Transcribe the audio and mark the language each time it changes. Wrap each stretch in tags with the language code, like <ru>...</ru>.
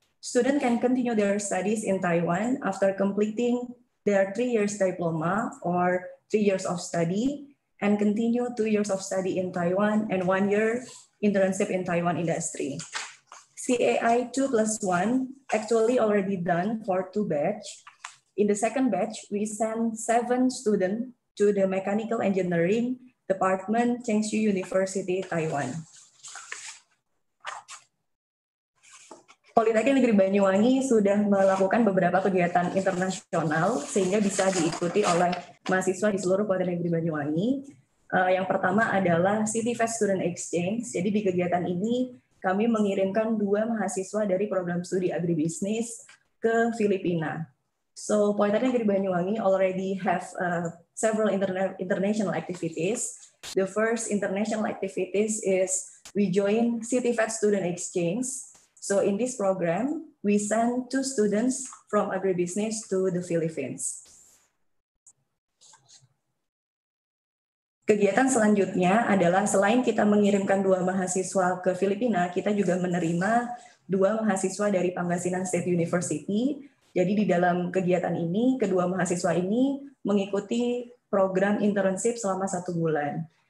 <en>Students can continue their studies in Taiwan after completing their 3 years diploma or 3 years of study, and continue 2 years of study in Taiwan and 1 year internship in Taiwan industry. CAI 2 plus 1 actually already done for two batch. In the second batch, we send 7 students to the Mechanical Engineering Department, Tsinghua University, Taiwan.</en> <id>Politeknik Negeri Banyuwangi sudah melakukan beberapa kegiatan internasional sehingga bisa diikuti oleh mahasiswa di seluruh Politeknik Negeri Banyuwangi. Yang pertama adalah City Fest Student Exchange. Jadi di kegiatan ini kami mengirimkan 2 mahasiswa dari program studi agribisnis ke Filipina.</id> <en>So Politeknik Negeri Banyuwangi already have several international activities. The first international activities is we join City Fest Student Exchange. So in this program, we send 2 students from agribusiness to the Philippines.</en> <id>Kegiatan selanjutnya adalah selain kita mengirimkan 2 mahasiswa ke Filipina, kita juga menerima 2 mahasiswa dari Pangasinan State University. Jadi di dalam kegiatan ini, kedua mahasiswa ini mengikuti program internship selama 1 bulan.</id>